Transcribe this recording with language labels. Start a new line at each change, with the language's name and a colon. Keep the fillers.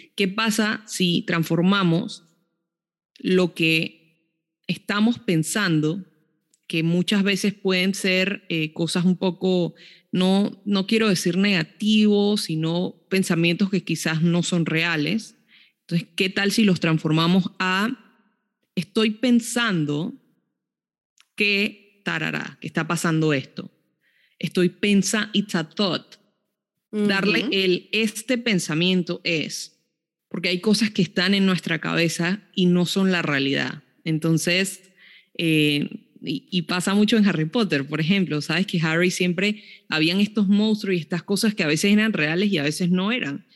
Spanish: ¿Qué pasa si transformamos lo que estamos pensando que muchas veces pueden ser eh, cosas un poco, no, no quiero decir negativos, sino pensamientos que quizás no son reales. Entonces, ¿qué tal si los transformamos a estoy pensando que tarará, que está pasando esto? Estoy pensa,
English: it's a thought. Uh -huh.
Spanish: Darle el este pensamiento es, porque hay cosas que están en nuestra cabeza y no son la realidad. Entonces, eh, y, pasa mucho en Harry Potter, por ejemplo, sabes que Harry siempre habían estos monstruos y estas cosas que a veces eran reales y a veces no eran,